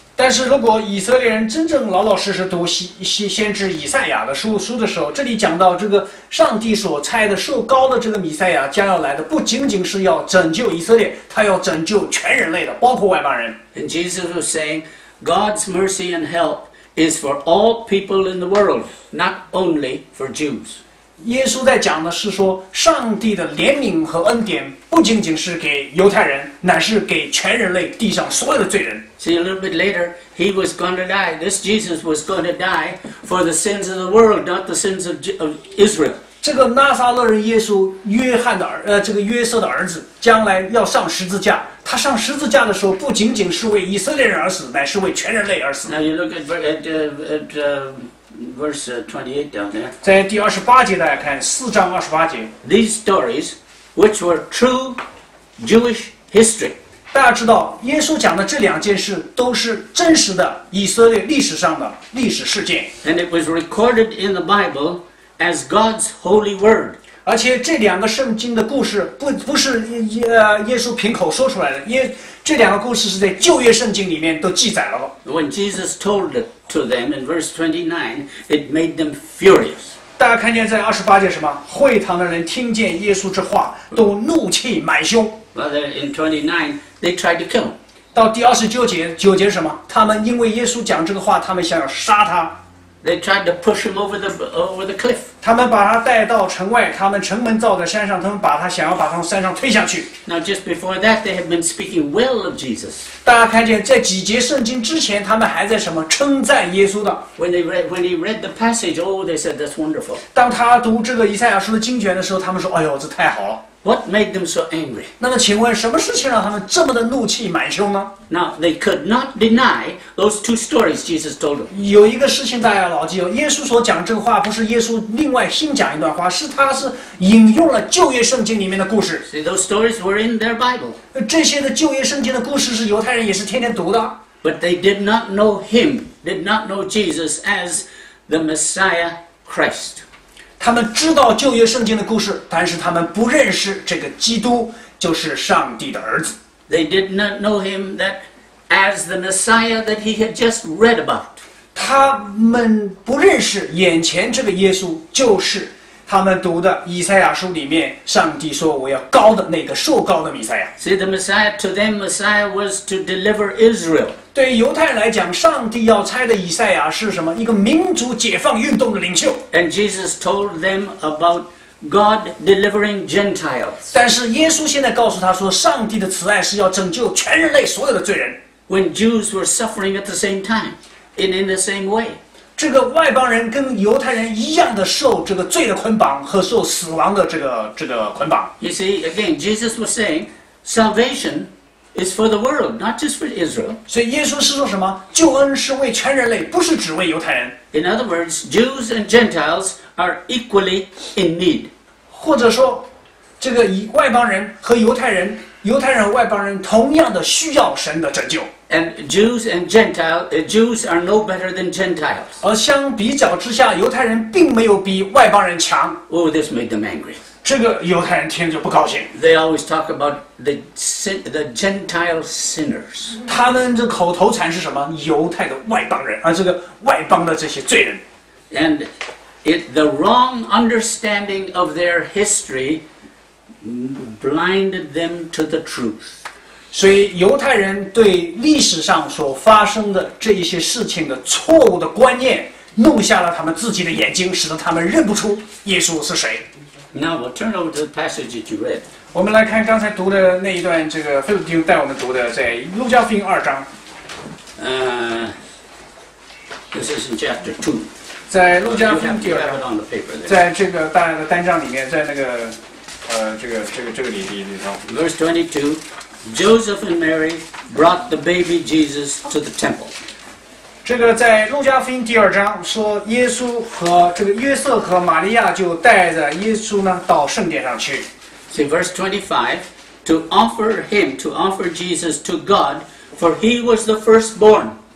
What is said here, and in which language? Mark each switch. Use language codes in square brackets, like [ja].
[zh] 但是如果以色列人真正老老实实读先知以赛亚的书的时候，这里讲到这个上帝所差的受膏的这个弥赛亚将要来的，不仅仅是要拯救以色列，他要拯救全人类的，包括外邦人。 [en] And Jesus was saying, God's mercy and help is for all people in the world, not only for Jews. [zh] 耶稣在讲的是说，上帝的怜悯和恩典不仅仅是给犹太人，乃是给全人类地上所有的罪人。 [en] See a little bit later, he was going to die. This Jesus was going to die for the sins of the world, not the sins of Israel. [zh] 这个拿撒勒人耶稣，约翰的这个约瑟的儿子，将来要上十字架。他上十字架的时候，不仅仅是为以色列人而死，乃是为全人类而死。 [en] Now you look at verse 28 down there. [zh] 在第二十八节，大家看四章二十八节。 [en] These stories, which were true Jewish history. [zh] 大家知道，耶稣讲的这两件事都是真实的以色列历史上的历史事件。 [en] And it was recorded in the Bible as God's holy word. [zh] 而且这两个圣经的故事不是耶稣凭口说出来的，这两个故事是在旧约圣经里面都记载了。 [en] When Jesus told it to them in verse 29, it made them furious. [zh] 大家看见在二十八节什么？会堂的人听见耶稣这话，都怒气满胸。 [en] But then in 29, they tried to kill him. [zh] 到第二十九节，九节什么？他们因为耶稣讲这个话，他们想要杀他。 [en] They tried to push him over the cliff. [zh] 他们把他带到城外，他们城门造在山上，他们把他想要把他从山上推下去。 [en] Now just before that, they had been speaking well of Jesus. [zh] 大家看见在几节圣经之前，他们还在什么称赞耶稣的 [en] ？When he read the passage, oh, they said that's wonderful. [zh] 当他读这个以赛亚书的经卷的时候，他们说：“哎呦，这太好了。” [en] What made them so angry? [zh] 那么请问什么事情让他们这么的怒气满胸呢？ [en] Now they could not deny those two stories Jesus told them. [zh] 有一个事情大家牢记哦，耶稣所讲这个话不是耶稣另外新讲一段话，是他是引用了旧约圣经里面的故事。 [en] See, those stories were in their Bible. [zh] 这些的旧约圣经的故事是犹太人也是天天读的。 [en] But they did not know him, did not know Jesus as the Messiah Christ. [zh] 他们知道旧约圣经的故事，但是他们不认识这个基督，就是上帝的儿子。 [en] They did not know him that as the Messiah that he had just read about. [zh] 他们不认识眼前这个耶稣，就是他们读的以赛亚书里面上帝说我要膏的那个受膏的弥赛亚。 [en] See the Messiah to them, Messiah was to deliver Israel. [zh] 对犹太人来讲，上帝要差的以赛亚是什么？一个民族解放运动的领袖。 [en] And Jesus told them about God delivering Gentiles. [zh] 但是耶稣现在告诉他说，上帝的慈爱是要拯救全人类所有的罪人。 [en] When Jews were suffering at the same time, in the same way. [zh] 这个外邦人跟犹太人一样的受这个罪的捆绑和受死亡的这个捆绑。 [en] You see, again, Jesus was saying, salvation is for the world, not just for Israel. [zh] 所以耶稣是说什么？救恩是为全人类，不是只为犹太人。 [en] In other words, Jews and Gentiles are equally in need. [zh] 或者说，这个外邦人和犹太人，犹太人和外邦人同样的需要神的拯救。 [en] And Jews and Gentiles, Jews are no better than Gentiles. [zh] 而相比较之下，犹太人并没有比外邦人强。 [en] Oh, this made them angry. [zh] 这个犹太人听着不高兴。 [en] They always talk about the Gentile sinners. [zh] 他们的口头禅是什么？犹太的外邦人，这个外邦的这些罪人。 [en] And the wrong understanding of their history blinded them to the truth. [zh] 所以犹太人对历史上所发生的这一些事情的错误的观念弄瞎了他们自己的眼睛，使得他们认不出耶稣是谁。 [en] Now we'll turn over to the passage you read. [zh] 我们来看刚才读的那一段，这个菲律宾带我们读的，在路加福音二章。 [en] This is in chapter two. [zh] 在路加福音第二章，在这个大的单章里面，在那个 [en] Verse 22, Joseph and Mary brought the baby Jesus to the temple. [zh] 这个在路加福音第二章说，耶稣和这个约瑟和玛利亚就带着耶稣呢到圣殿上去。 [en] See verse 25, to offer Jesus to God, for he was the firstborn.